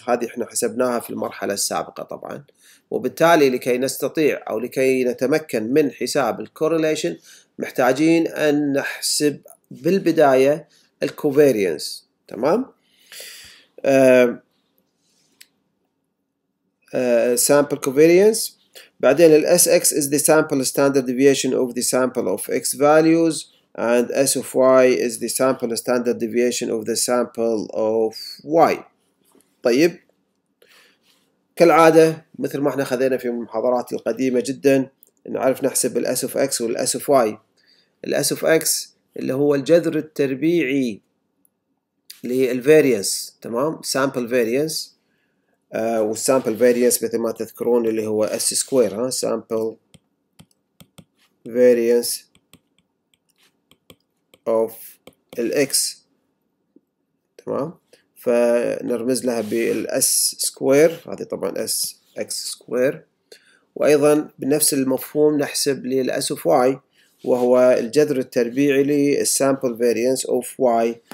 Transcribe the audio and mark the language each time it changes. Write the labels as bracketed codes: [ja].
[ar] هذه احنا حسبناها في المرحلة السابقة طبعا. وبالتالي لكي نستطيع او لكي نتمكن من حساب الكوريليشن محتاجين ان نحسب بالبداية الكوفاريانس. تمام؟ [en] sample covariance. [ar] بعدين الـ [en] SX is the sample standard deviation of the sample of X values. And S of Y is the sample standard deviation of the sample of Y. [ar] طيب كالعادة مثل ما احنا خذينا في محاضرات القديمة جدا نعرف نحسب الـ S of X والـ S of Y. الـ S of X اللي هو الجذر التربيعي للـ variance. تمام؟ sample variance والـ sample variance مثل ما تذكرون اللي هو S square ها؟ sample variance of الx. تمام؟ فنرمز لها بالs square. هذه طبعا s x square. وايضا بنفس المفهوم نحسب للs of y وهو الجذر التربيعي للsample variance of y.